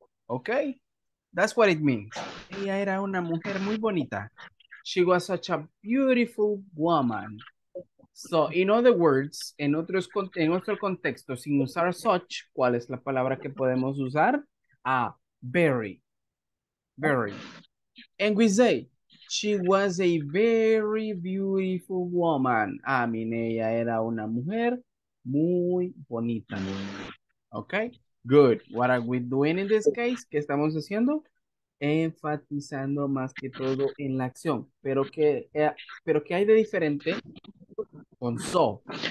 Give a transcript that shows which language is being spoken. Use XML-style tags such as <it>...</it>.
<es>Okay?</es> <en>That's what it means.</en> <es>Ella era una mujer muy bonita.</es> <en>She was such a beautiful woman. So, in other words,</en> <es>en otro contexto, sin usar such, ¿cuál es la palabra que podemos usar?</es> <en>Very. Very. And we say, she was a very beautiful woman. I mean,</en> <es>ella era una mujer muy bonita.</es> <en>Okay? Good. What are we doing in this case?</en> <es>¿Qué estamos haciendo? Enfatizando más que todo en la acción, pero que hay de diferente con so.</es>